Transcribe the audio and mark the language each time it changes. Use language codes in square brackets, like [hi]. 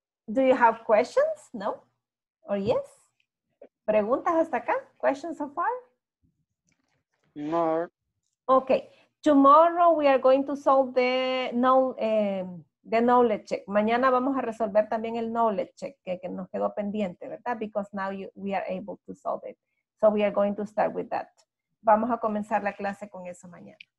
[en] Do you have questions? No? Or yes? [es] ¿Preguntas hasta acá? [en] Questions so far? No. Okay. Tomorrow we are going to solve the knowledge check. [es] Mañana vamos a resolver también el knowledge check que nos quedó pendiente, ¿verdad? [en] Because now we are able to solve it. So we are going to start with that. [es] Vamos a comenzar la clase con eso mañana.